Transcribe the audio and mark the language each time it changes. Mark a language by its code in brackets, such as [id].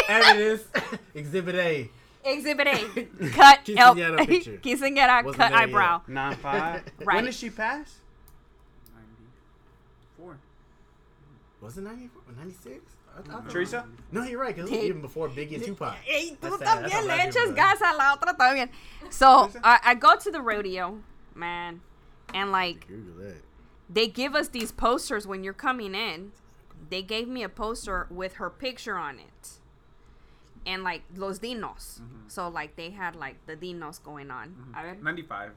[en] There it is. Exhibit A. Exhibit A. Cut. Quinceañera picture. Cut eyebrow. 9-5. Right. When did she pass? 94. Was it 94? 96? Teresa? No, you're right. Because even before Biggie and Tupac. [es] Hey, tú también le echas gas a la otra también. [en] So I go to the rodeo, man. And like, they give us these posters when you're coming in. They gave me a poster with her picture on it. And like, Los Dinos. Mm-hmm. So like, they had like the Dinos going on. Mm-hmm. 95.